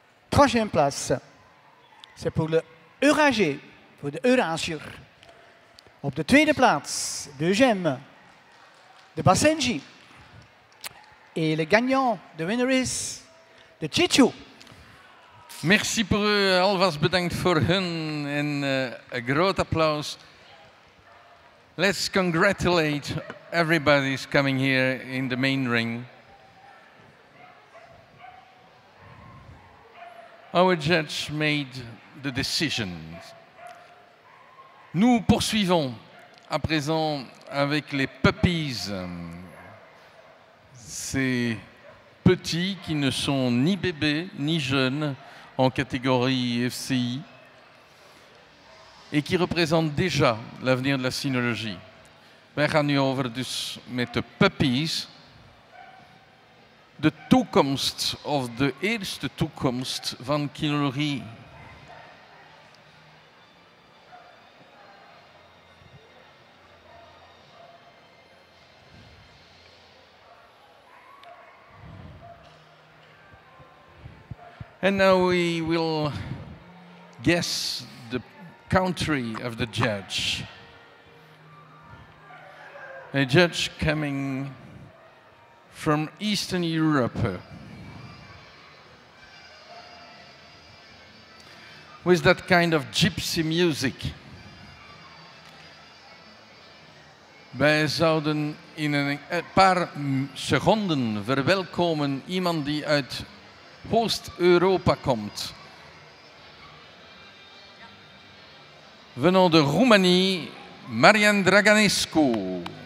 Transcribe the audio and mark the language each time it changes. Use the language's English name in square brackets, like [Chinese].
[French] Troisième place, c'est pour le Eurasier, pour le Eurasier. [Dutch] Op de tweede plaats, deuxième, de Basenji. [French] Et le gagnant, [English] the winner is, [French] de Tchitchou. Merci pour eux, [Dutch] alvast bedankt voor hun en een groot applaus. [English] Let's congratulate everybody who's coming here in the main ring. Our judge made the decision. [French] Nous poursuivons à présent avec les puppies. Ces petits qui ne sont ni bébés ni jeunes en catégorie FCI et qui représentent déjà l'avenir de la cynologie. [Dutch] We gaan nu over dus met de puppies. De toekomst of de eerste toekomst van kinologie. [English] And now we will guess the country of the judge. A judge coming from Eastern Europe, with that kind of gypsy music. [Dutch] Wij zouden in een paar seconden verwelkomen iemand die uit Oost-Europa komt. [French] Venant de Roemenië, Marian Draganescu.